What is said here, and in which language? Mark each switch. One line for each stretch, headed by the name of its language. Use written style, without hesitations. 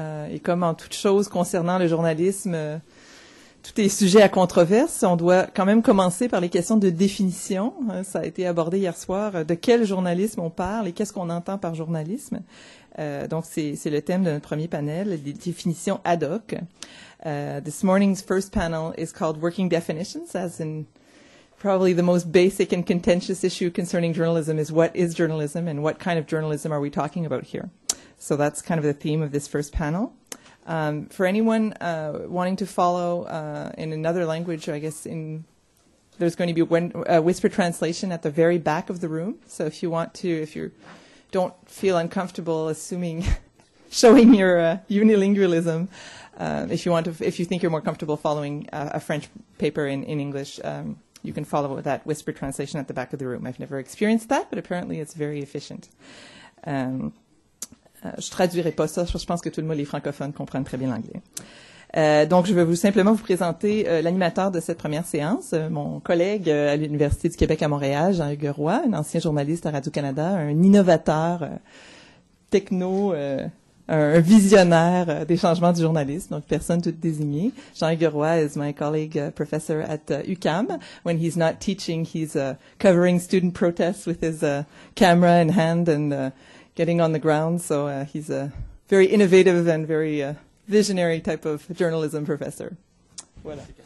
French: Et comme en toute chose concernant le journalisme, tout est sujet à controverse, on doit quand même commencer par les questions de définition. Ça a été abordé hier soir, de quel journalisme on parle et qu'est-ce qu'on entend par journalisme. Donc c'est le thème de notre premier panel, les définitions ad hoc.
English: This morning's first panel is called Working Definitions, as in probably the most basic and contentious issue concerning journalism is what is journalism and what kind of journalism are we talking about here? So that's kind of the theme of this first panel. For anyone wanting to follow in another language, I guess there's going to be a whisper translation at the very back of the room. So if you want to, if you don't feel uncomfortable assuming, showing your unilingualism, if you want to, if you think you're more comfortable following a French paper in English, you can follow that whisper translation at the back of the room. I've never experienced that, but apparently it's very efficient.
French: Je traduirai pas ça, je pense que tout le monde, les francophones, comprennent très bien l'anglais. Donc, je vais simplement vous présenter l'animateur de cette première séance, mon collègue à l'Université du Québec à Montréal, Jean-Hugues Roy, un ancien journaliste à Radio-Canada, un innovateur techno, un visionnaire des changements du journalisme, donc personne toute désignée.
English: Jean-Hugues Roy is my colleague, professor at UQAM. When he's not teaching, he's covering student protests with his camera in hand and getting on the ground. So he's a very innovative and very visionary type of journalism professor.
French: Voilà.